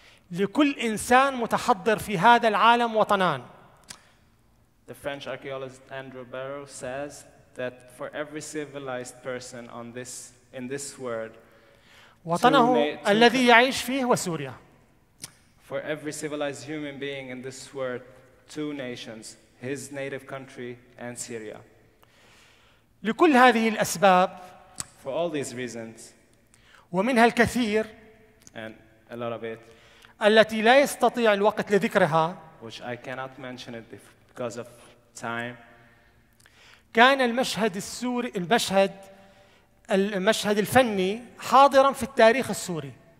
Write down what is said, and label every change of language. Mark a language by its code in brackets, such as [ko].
[ar] لكل إنسان متحضر في هذا العالم وطنان. [en] The French archaeologist Andrew Barrow says that for every civilized person on this in this world, [ar] وطنه الذي يعيش فيه هو سوريا. [en] For every civilized human being in this world, two nations: his native country and Syria. [ar] لكل هذه الأسباب. [en] For all these reasons. [ar] ومنها الكثير. [en] And a lot of it. [ar] التي لا يستطيع الوقت لذكرها. [en] Which I cannot mention it because of time. [ar] كان المشهد السوري المشهد الفني حاضرا في التاريخ السوري.